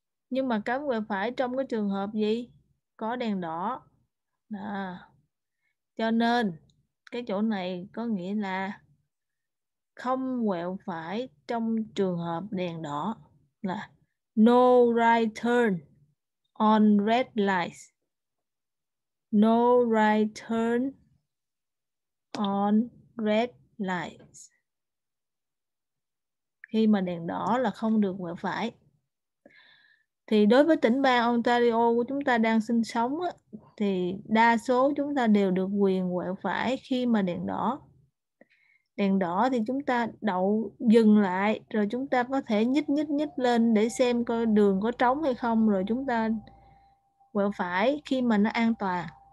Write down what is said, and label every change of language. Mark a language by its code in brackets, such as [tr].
[vi] Nhưng mà cấm quẹo phải trong cái trường hợp gì? Có đèn đỏ. Đó. Cho nên cái chỗ này có nghĩa là không quẹo phải trong trường hợp đèn đỏ là [en] no right turn on red lights. No right turn on red lights. [vi] Khi mà đèn đỏ là không được quẹo phải. Thì đối với tỉnh bang Ontario của chúng ta đang sinh sống á, thì đa số chúng ta đều được quyền quẹo phải khi mà đèn đỏ. Đèn đỏ thì chúng ta đậu dừng lại rồi chúng ta có thể nhích nhích nhích lên để xem coi đường có trống hay không rồi chúng ta quẹo phải khi mà nó an toàn.